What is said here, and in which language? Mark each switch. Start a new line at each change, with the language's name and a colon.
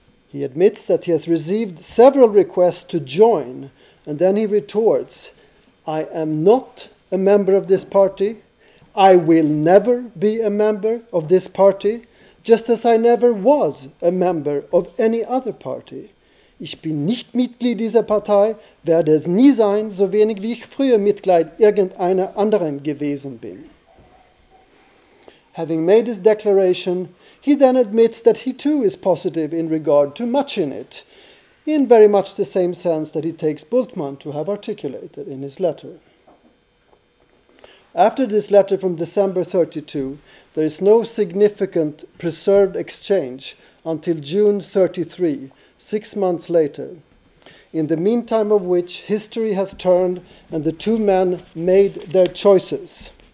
English: He admits that he has received several requests to join, and then he retorts, I am not a member of this party, I will never be a member of this party, just as I never was a member of any other party.
German: Ich bin nicht Mitglied dieser Partei, werde es nie sein, so wenig wie ich früher Mitglied irgendeiner anderen gewesen bin.
English: Having made his declaration, he then admits that he too is positive in regard to much in it, in very much the same sense that he takes Bultmann to have articulated in his letter. After this letter from December 32, there is no significant preserved exchange until June 33, 6 months later, in the meantime of which history has turned and the two men made their choices.